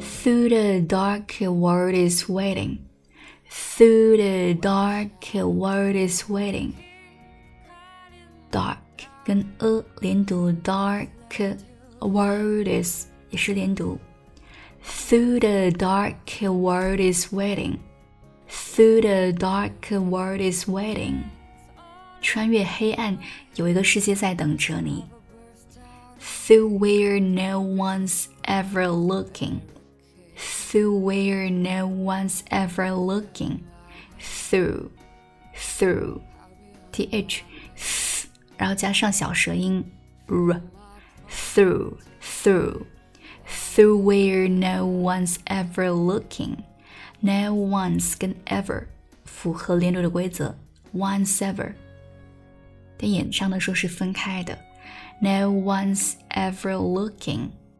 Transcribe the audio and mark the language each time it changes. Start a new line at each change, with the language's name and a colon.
English: Through the dark world is waiting. Through the dark world is waiting. Dark
Chinese: 跟连读
English: dark world is.
Chinese: 也是连读
English: Through the dark world is waiting. Through the dark world is waiting.
Chinese: 穿越黑暗，有一个世界在等着你。
English: Through where no one's ever looking. Through where no one's ever looking. Through. Through.
Chinese: TH th, 然后加上小舌音 R.
English: Through. ThroughThrough where no one's ever looking.
Chinese: No one's 跟 ever 符合连读的规则 Once ever 但演唱的时候是分开的
English: No one's ever looking.